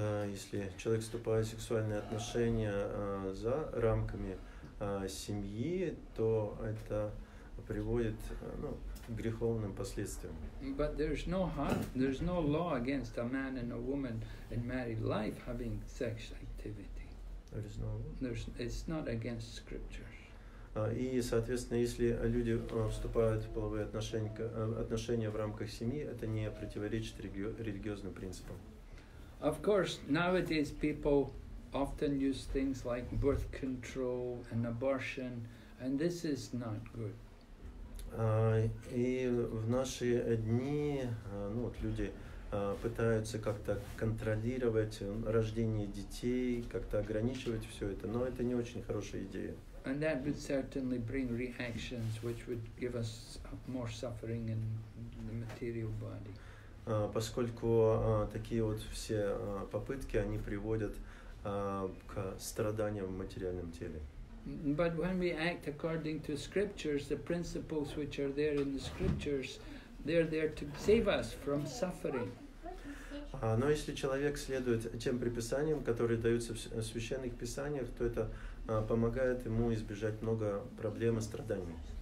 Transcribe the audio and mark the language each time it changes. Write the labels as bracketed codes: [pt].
[ru] Если человек вступает в сексуальные отношения за рамками семьи, то это приводит к греховным последствиям. [en] But there's no law against a man and a woman in married life having sexual activity. There is no law. It's not against scriptures. [ru] И, соответственно, если люди вступают в половые отношения в рамках семьи, это не противоречит религиозным принципам. [en] Of course, nowadays people often use things like birth control and abortion, and this is not good. [ru] И в наши дни, люди пытаются как-то контролировать рождение детей, как-то ограничивать все это, но это не очень хорошая идея. [en] And that would certainly bring reactions which would give us more suffering in the material body. [ru] Поскольку такие вот все попытки, они приводят к страданиям в материальном теле. [en] But when we act according to scriptures, the principles which are there in the scriptures, they're there to save us from suffering. [ru] Но если человек следует тем предписаниям, которые даются в священных писаниях, то это помогает ему избежать много проблем и страданий.